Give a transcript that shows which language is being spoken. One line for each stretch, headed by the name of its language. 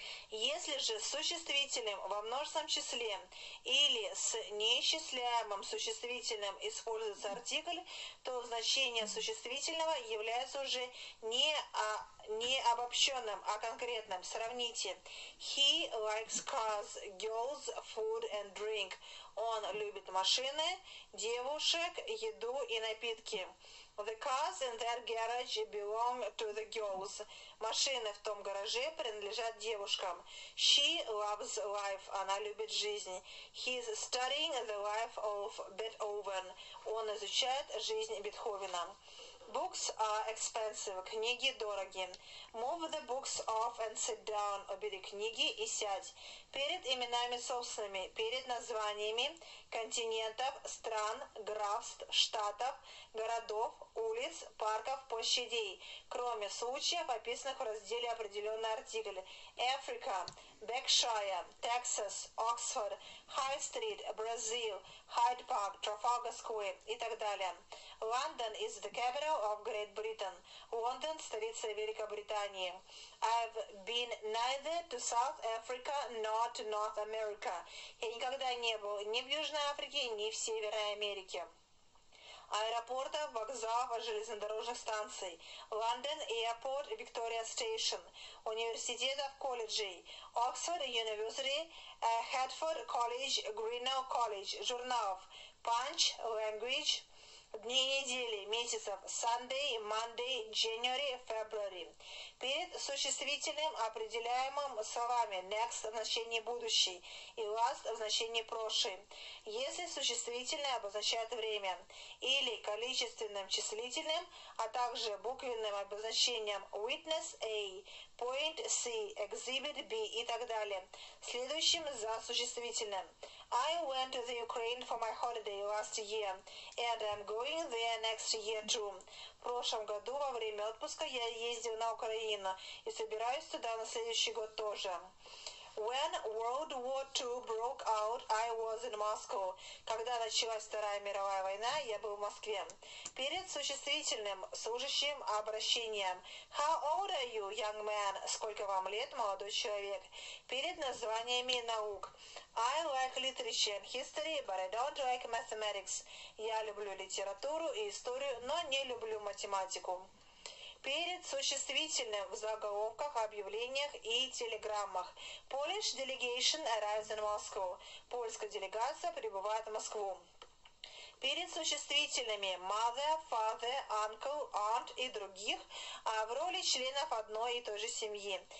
Russian: Если же с существительным во множественном числе или с неисчисляемым существительным используется артикль, то значение существительного является уже не обобщенным, а конкретным. Сравните.
English: He likes cars, girls, food and drink.
Russian: Он любит машины, девушек, еду и напитки.
English: The cars in their garage belong to the girls.
Russian: Машины в том гараже принадлежат девушкам.
English: She loves life.
Russian: Она любит жизнь.
English: He's studying the life of Beethoven.
Russian: Он изучает жизнь Бетховена.
English: Books are expensive.
Russian: Книги дороги.
English: Move the books off and sit down.
Russian: Убери книги и сядь. Перед именами собственными, перед названиями континентов, стран, графств, штатов, городов, улиц, парков, площадей, кроме случаев, описанных в разделе определенный артикль.
English: Africa, Berkshire, Texas, Oxford, High Street, Brazil, Hyde Park, Trafalgar Square
Russian: и так далее.
English: London is the capital of Great Britain.
Russian: Лондон – столица Великобритании.
English: I've been neither to South Africa nor to North America.
Russian: Я никогда не был ни в Южной Африке, ни в Северной Америке. Аэропортов, вокзалов, железнодорожных станций.
English: London Airport, Victoria Station.
Russian: Университетов, колледжей.
English: Oxford University, Hertford College, Greenough College.
Russian: Журналов. Punch, Language. Дни недели, месяцев.
English: Sunday, Monday, January, February.
Russian: Перед существительным, определяемым словами. Next в значении будущий. И last в значении прошлый. Если существительное обозначает время. Или количественным, числительным, а также буквенным обозначением.
English: Witness A, Point C, Exhibit B
Russian: и так далее. Следующим за существительным.
English: I went to the Ukraine for my holiday last year, and I'm going there next year too.
Russian: В прошлом году во время отпуска я ездил на Украину и собираюсь туда на следующий год тоже.
English: When World War II broke out, I was in Moscow.
Russian: Когда началась Вторая мировая война, я был в Москве. Перед существительным, служащим обращением.
English: How old are you, young man?
Russian: Сколько вам лет, молодой человек? Перед названиями наук.
English: I like literature and history, but I don't like mathematics.
Russian: Я люблю литературу и историю, но не люблю математику. Перед существительным в заголовках, объявлениях и телеграммах.
English: Polish delegation arrives in Moscow.
Russian: Польская делегация прибывает в Москву. Перед существительными mother, father, uncle, aunt и других, а в роли членов одной и той же семьи.